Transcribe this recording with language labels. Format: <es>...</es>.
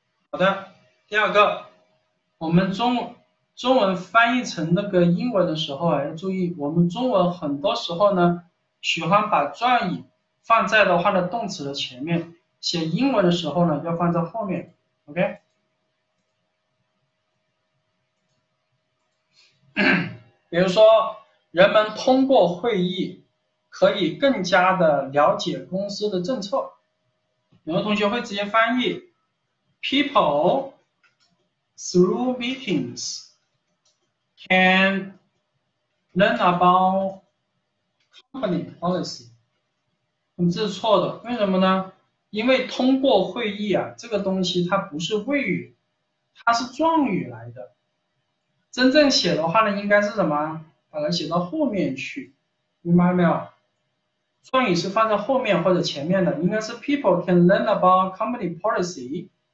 <zh>好的，第二个，我们中文翻译成那个英文的时候啊，要注意，我们中文很多时候呢，喜欢把状语放在的话的动词的前面，写英文的时候呢，要放在后面。 OK，比如说，人们通过会议可以更加的了解公司的政策，有的同学会直接翻译。</zh> <en>People through meetings can learn about company policy。</en> <zh>你这是错的，为什么呢？因为通过会议啊，这个东西它不是谓语，它是状语来的。真正写的话呢，应该是什么？把它写到后面去，明白没有？状语是放在后面或者前面的，应该是</zh> <en>People can learn about company policy。</en>